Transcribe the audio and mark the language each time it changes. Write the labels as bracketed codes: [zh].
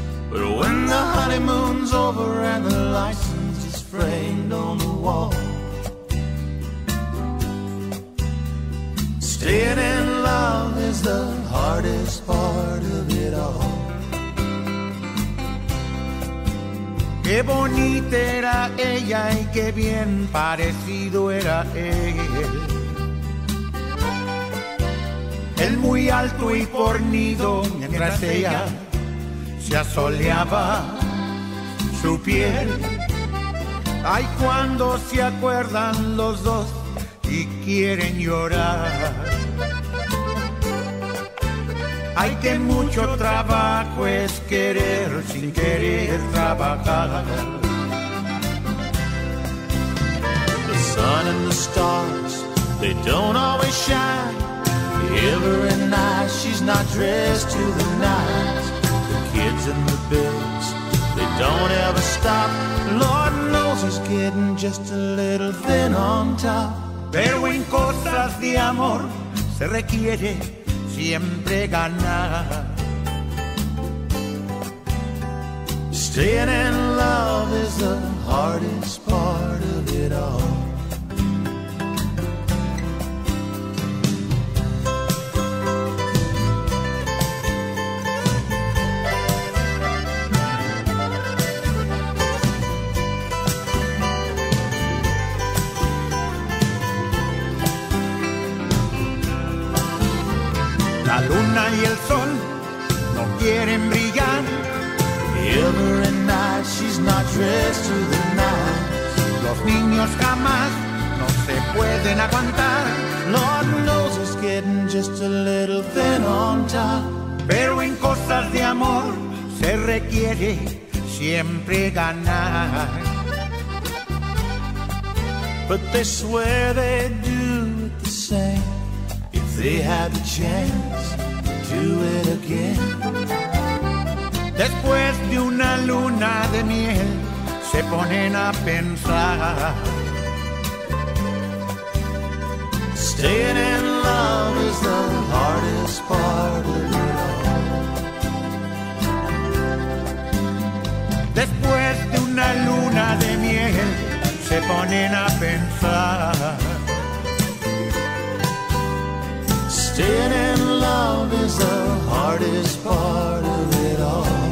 [en] But when the honeymoon's over and the license is framed on the wall, staying in love is the hardest part of it all. [es] Qué bonita era ella y qué bien parecido era él. Él muy alto y fornido, mientras ella se asoleaba su piel. Ay, cuando se acuerdan los dos y quieren llorar. Ay, que mucho trabajo es querer sin querer trabajar. [en] The sun and the stars, they don't always shine. Every night she's not dressed to the nines. The kids and the bills, they don't ever stop. Lord knows he's getting just a little thin on top. [es] Pero en cosas de amor se requiere siempre ganar. [en] Staying in love is the hardest part of it all. Mm-hmm. [es] luna y el sol no quieren brillar. [en] Every night she's not dressed to the night. [es] Los niños jamás no se pueden aguantar. [en] Lord knows it's getting just a little thin on top. [es] Pero en cosas de amor se requiere siempre ganar. [en] But they swear they'd do it the same if they had a chance to do it again. [es] Después de una luna de miel se ponen a pensar. [en] Staying in love is the hardest part of it all. [es] Después de una luna de miel se ponen a pensar. [en] Staying in love is the hardest part of it all.